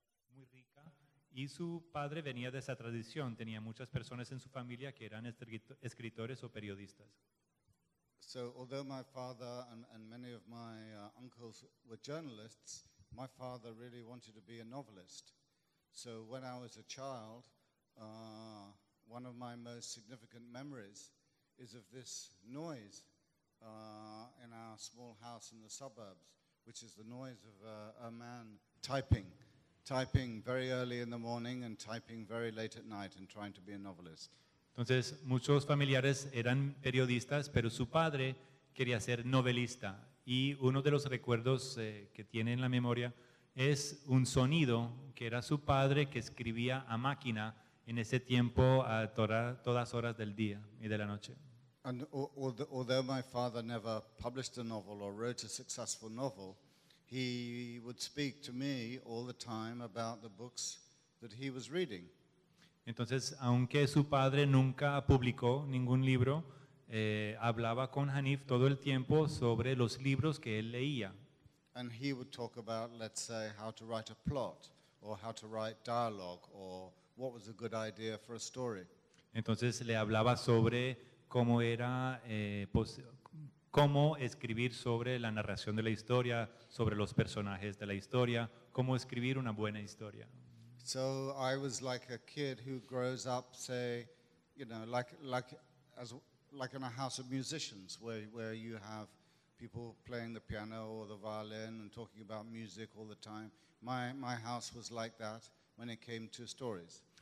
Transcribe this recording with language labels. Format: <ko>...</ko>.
<es>Muy rica, y su padre venía de esa tradición, tenía muchas personas en su familia que eran escritores o periodistas.</es> <en>So, although my father and many of my uncles were journalists, my father really wanted to be a novelist. So, when I was a child, one of my most significant memories is of this noise in our small house in the suburbs, which is the noise of a man typing. Typing very early in the morning and typing very late at night and trying to be a novelist.</en> <es>Entonces, muchos familiares eran periodistas, pero su padre quería ser novelista. Y uno de los recuerdos que tiene en la memoria es un sonido que era su padre que escribía a máquina en ese tiempo a todas horas del día y de la noche.</es> <en>And although my father never published a novel or wrote a successful novel, he would speak to me all the time about the books that he was reading.</en> <es>Entonces, aunque su padre nunca publicó ningún libro, hablaba con Hanif todo el tiempo sobre los libros que él leía.</es> <en>And he would talk about, let's say, how to write a plot, or how to write dialogue, or what was a good idea for a story.</en> <es>Entonces, le hablaba sobre cómo era cómo escribir sobre la narración de la historia, sobre los personajes de la historia, cómo escribir una buena historia.</es> <en>So I was like a kid who grows up, say, you know, like in a house of musicians, where you have people playing the piano or the violin and talking about music all the time. My house was like that when it came to stories.</en>